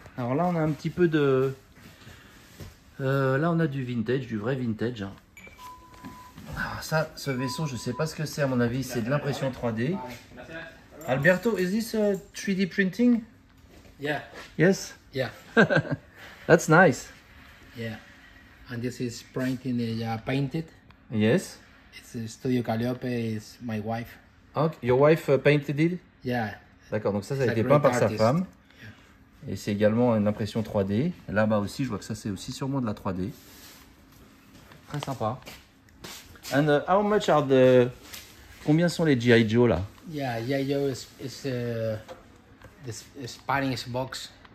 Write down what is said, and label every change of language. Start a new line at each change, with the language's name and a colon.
French: Alors là, on a un petit peu de... là, on a du vintage, du vrai vintage. Alors ça, ce vaisseau, je ne sais pas ce que c'est. À mon avis, c'est de l'impression 3D.
English: Alberto, is this a 3D printing? Yeah. Yes? Yeah. That's nice. Yeah. And this is printing, painted. Yes. It's Studio Calliope, it's my wife. Okay. Your wife painted it? Yeah.
French: D'accord, donc ça, ça a été peint par sa femme.
English: Yeah.
French: Et c'est également une impression 3D. Là-bas aussi, je vois que ça, c'est aussi sûrement de la 3D. Très sympa.
English: And how much are the...
French: Combien sont les G.I. Joe là?
English: Yeah, G.I. Joe is the Spanish box.